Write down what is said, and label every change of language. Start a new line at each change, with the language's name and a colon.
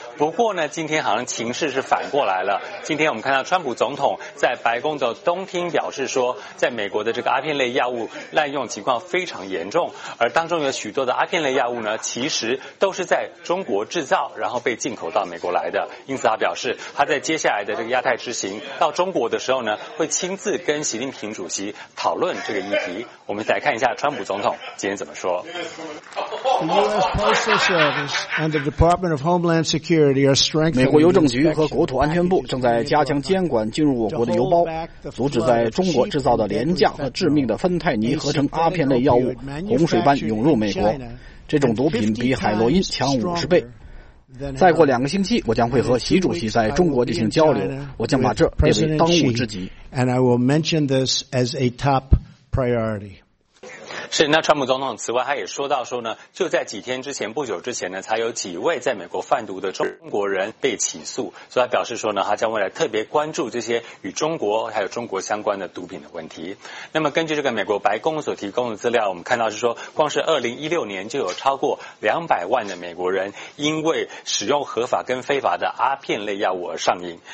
Chinese: 不过呢，今天好像情势是反过来了。今天我们看到川普总统在白宫的东厅表示说，在美国的这个阿片类药物滥用情况非常严重，而当中有许多的阿片类药物呢，其实都是在中国制造，然后被进口到美国来的。因此他表示，他在接下来的这个亚太之行到中国的时候呢，会亲自跟习近平主席讨论这个议题。我们来看一下川普总统今天怎么说。
English: The US Postal Service and the Department of Homeland Security are strengthening.
Chinese: 美国邮政局和国土安全部正在加强监管进入我国的邮包，阻止在中国制造的廉价和致命的芬太尼合成阿片类药物洪水般涌入美国。这种毒品比海洛因强50倍。再过两个星期，我将会和习主席在中国进行交流，我将把这列为当务之急。
English: And I will mention this as a top priority.
Chinese: 是，那川普总统此外他也说到说呢，就在几天之前，不久之前呢，才有几位在美国贩毒的中国人被起诉，所以他表示说呢，他将未来特别关注这些与中国还有中国相关的毒品的问题。那么根据这个美国白宫所提供的资料，我们看到是说，光是2016年就有超过200万的美国人因为使用合法跟非法的阿片类药物而上瘾。